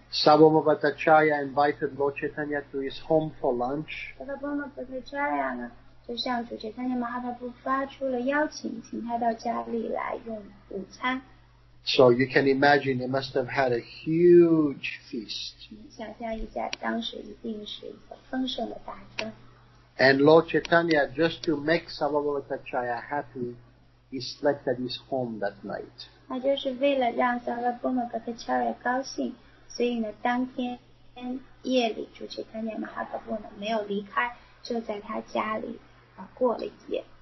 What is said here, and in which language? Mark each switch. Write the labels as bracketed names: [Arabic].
[English] Sarvabhauma Bhattacharya invited Lord Chaitanya to his home for lunch. [Chinese] Sarvabhauma Bhattacharya 呢，就向主 Chaitanya Mahaprabhu 发出了邀请，请他到家里来用午餐。 [English] So you can imagine they must have had a huge feast. [Chinese] 想象一下，当时一定是一个丰盛的大餐。 [English] And Lord Chaitanya, just to make Sarvabhauma Bhattacharya happy, he slept at his home that night. [Chinese] 那就是为了让 Sarvabhauma Bhattacharya 高兴，所以呢，当天夜里，主 Chaitanya Mahaprabhu 呢没有离开，就在他家里啊过了一夜。